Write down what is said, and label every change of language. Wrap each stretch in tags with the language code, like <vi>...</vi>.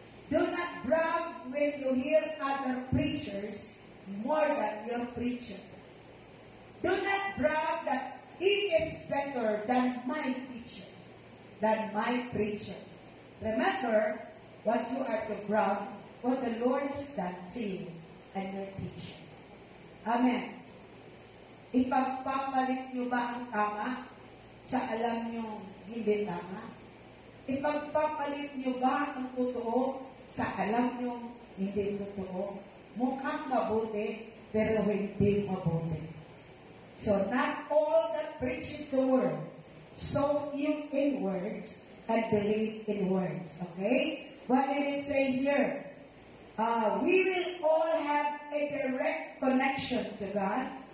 <en>Do not brag when you hear other preachers more than your preacher. Do not brag that he is better than my teacher, than my preacher. Remember what you are to brag, what the Lord has done to you and your teacher. Amen.</en> <tl>Ipagpapalit nyo ba ang tama sa alam nyo hindi tama? Ipagpapalit nyo ba ang totoo sa alam nyo hindi totoo? Mukhang mabuti, pero hindi mabuti.</tl> <en>So not all that preaches the word, sow you in words and believe in words. Okay? What did it say here? We will all have a direct connection to God.</en>